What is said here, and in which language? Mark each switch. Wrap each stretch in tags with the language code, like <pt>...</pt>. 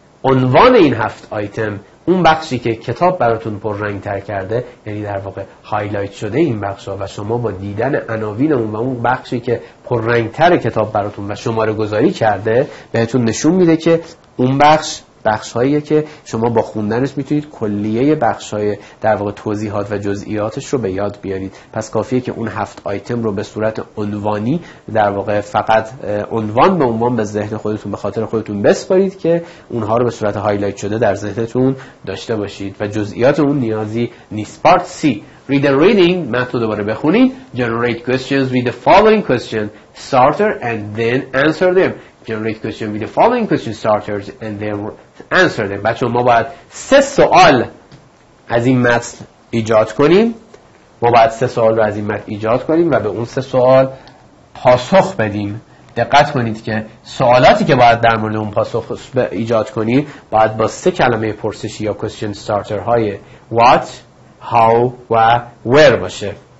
<fa>عنوان این 7 آیتم اون بخشی که کتاب براتون پررنگ تر کرده، یعنی در واقع هایلایت شده این بخش ها و شما با دیدن عناوین اون و اون بخشی که پررنگ تر کتاب براتون و شماره گذاری کرده بهتون نشون میده که اون بخش بخش هاییه که شما با خوندنش میتونید کلیه بخش های در واقع توضیحات و جزئیاتش رو به یاد بیارید. پس کافیه که اون 7 آیتم رو به صورت عنوانی در واقع فقط عنوان به عنوان به ذهن خودتون به خاطر خودتون بسپارید که اونها رو به صورت هایلایت شده در ذهنتون داشته باشید و جزئیات اون نیازی نیست.</fa> <en>Part C. Read the reading.</en> <fa>متن رو دوباره بخونید.</fa> <en>Generate questions with the following question starter and then answer them. Generate question with the following question starters and then answer them.</en> <fa>بچه ما باید 3 سوال از این متن ایجاد کنیم. ما باید 3 سوال رو از این متن ایجاد کنیم و به اون 3 سوال پاسخ بدیم. دقت کنید که سوالاتی که باید در مورد اون پاسخ ایجاد کنیم باید با 3 کلمه پرسشی یا question starter های what, how و where باشه.</fa>